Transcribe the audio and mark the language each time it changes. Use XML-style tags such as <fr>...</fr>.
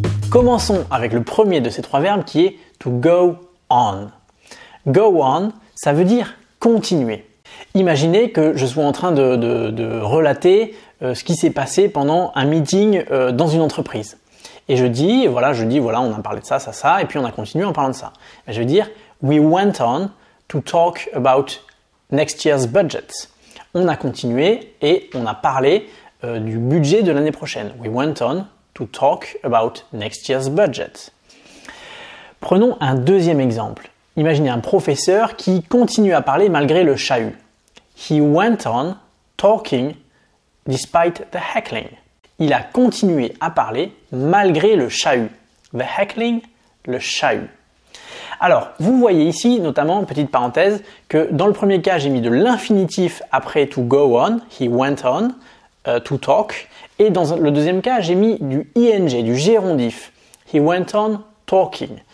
<fr>Commençons avec le premier de ces trois verbes qui est to go on. Go on, ça veut dire continuer. Imaginez que je sois en train de relater ce qui s'est passé pendant un meeting dans une entreprise. Et je dis, voilà, on a parlé de ça, et puis on a continué en parlant de ça. Mais je veux dire,</fr> <en>we went on to talk about next year's budget.</en> <fr>On a continué et on a parlé du budget de l'année prochaine.</fr> <en>We went on to talk about next year's budget.</en> <fr>Prenons un deuxième exemple. Imaginez un professeur qui continue à parler malgré le chahut.</fr> <en>He went on talking despite the heckling.</en> <fr>Il a continué à parler malgré le chahut. The heckling, le chahut. Alors, vous voyez ici, notamment, petite parenthèse, que dans le premier cas, j'ai mis de l'infinitif après to go on,</fr> <en>he went on, to talk.</en> <fr>Et dans le deuxième cas, j'ai mis du ing, du gérondif,</fr> <en>he went on talking.</en>